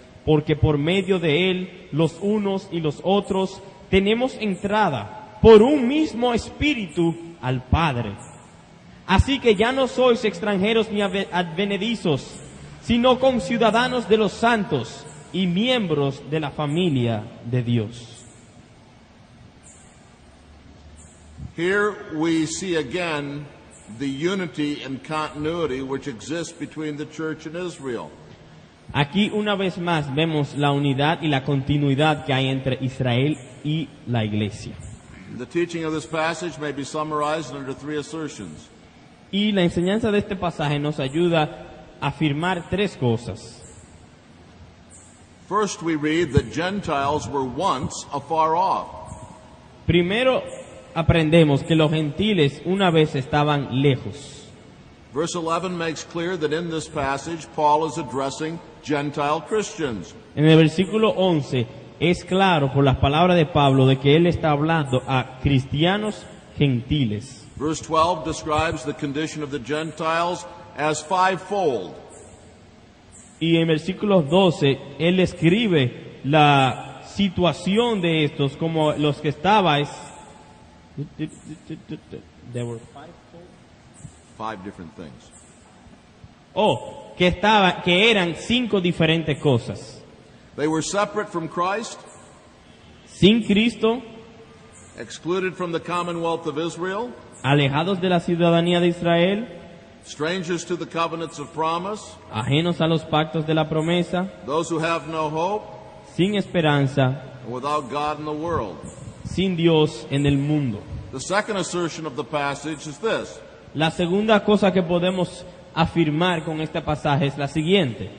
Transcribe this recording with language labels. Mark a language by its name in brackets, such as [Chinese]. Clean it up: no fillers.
[Spanish] Porque por medio de Él, los unos y los otros, tenemos entrada por un mismo Espíritu al Padre. Así que ya no sois extranjeros ni advenedizos, sino conciudadanos de los santos y miembros de la familia de Dios. [English] Here we see again the unity and continuity which exists between the church and Israel. [Spanish] Aquí una vez más vemos la unidad y la continuidad que hay entre Israel y la iglesia. [English] The teaching of this passage may be summarized under three assertions. [Spanish] Y la enseñanza de este pasaje nos ayuda a afirmar tres cosas. [English] First, we read that Gentiles were once afar off. [Spanish] Primero, aprendemos que los gentiles una vez estaban lejos. [English] Verse 11 makes clear that in this passage, Paul is addressing Gentile Christians. [Spanish] En el versículo 11, es claro por las palabras de Pablo de que él está hablando a cristianos gentiles. [English] Verse 12 describes the condition of the Gentiles as fivefold. [Spanish] Y en versículo 12, él escribe la situación de estos como los que estabais. [English] There were five different things. [Spanish] Oh, que eran cinco diferentes cosas. [English] They were separate from Christ. [Spanish] Sin Cristo. [English] Excluded from the commonwealth of Israel. [Spanish] Alejados de la ciudadanía de Israel. [English] Strangers to the covenants of promise. [Spanish] Ajenos a los pactos de la promesa. [English] Those who have no hope. [Spanish] Sin esperanza. [English] Without God in the world. [Spanish] Sin Dios en el mundo. [English] The second assertion of the passage is this. [Spanish] La segunda cosa que podemos afirmar con este pasaje es la siguiente.